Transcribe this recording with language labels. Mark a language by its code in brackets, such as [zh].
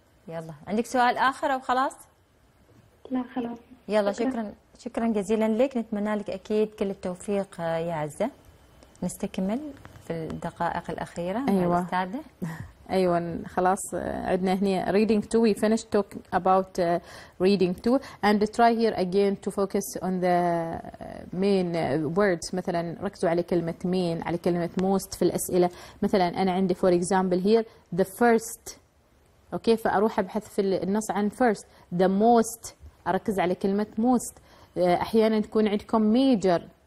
[ar] يلا عندك سؤال آخر أو خلاص؟ لا خلاص. يلا شكرا شكرا جزيلا لك، نتمنى لك أكيد كل التوفيق يا عزة. نستكمل في الدقائق الأخيرة. أيوة أستاذة. أيوة خلاص عندنا هنا reading two. [en] We finished talking about reading two and try here again to focus on the main words. [ar] مثلا ركزوا على كلمة main، على كلمة most في الأسئلة. مثلا أنا عندي for example here the first. أوكي فأروح أبحث في النص عن first. The most أركز على كلمة most. أحيانا تكون عندكم major.